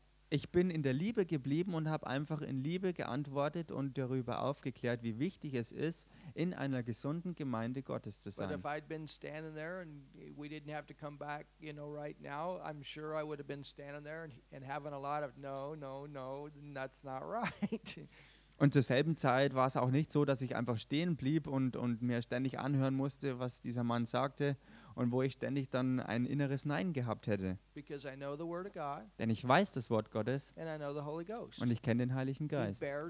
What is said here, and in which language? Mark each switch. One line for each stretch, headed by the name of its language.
German: Ich bin in der Liebe geblieben und habe einfach in Liebe geantwortet und darüber aufgeklärt, wie wichtig es ist, in einer gesunden Gemeinde Gottes zu sein.
English: But if I'd been standing there and we didn't have to come back, you know, right now, I'm sure I would have been standing there and having a lot of no, that's not right.
German: Und zur selben Zeit war es auch nicht so, dass ich einfach stehen blieb und mir ständig anhören musste, was dieser Mann sagte. Und wo ich ständig dann ein inneres Nein gehabt hätte. Denn ich weiß das Wort Gottes und ich kenne den Heiligen Geist.